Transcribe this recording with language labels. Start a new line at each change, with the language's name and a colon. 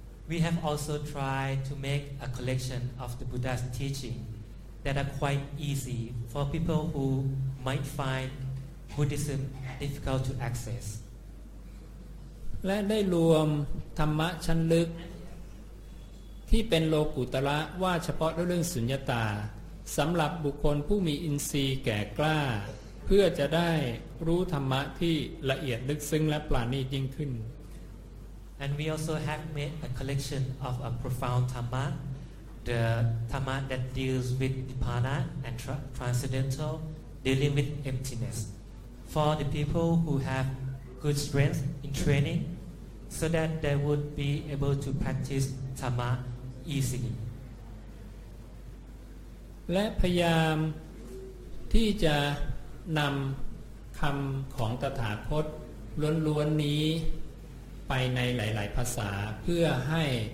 English: We have also tried to make a collection of the Buddha's teachingthat are quite easy for people who might find Buddhism difficult to access.
Thai: และได้รวมธรรมะชั้นลึกที่เป็นโลกุตระว่าเฉพาะเรื่องสุญญตาสำหรับบุคคลผู้มีอินทรีย์แก่กล้าเพื่อจะได้รู้ธรรมะที่ละเอียดลึกซึ้งและปราณีตยิ่งขึ้น
English: And we also have made a collection of a profound DhammaThe Dhamma that deals with Nibbana and transcendental, dealing with emptiness, for the people who have good strength in training so that they would be able to practice Dhamma easily.
Thai: และพยายามที่จะนำคำของตถาคตล้วนๆนี้ไปในหลายๆภาษาเพื่อให้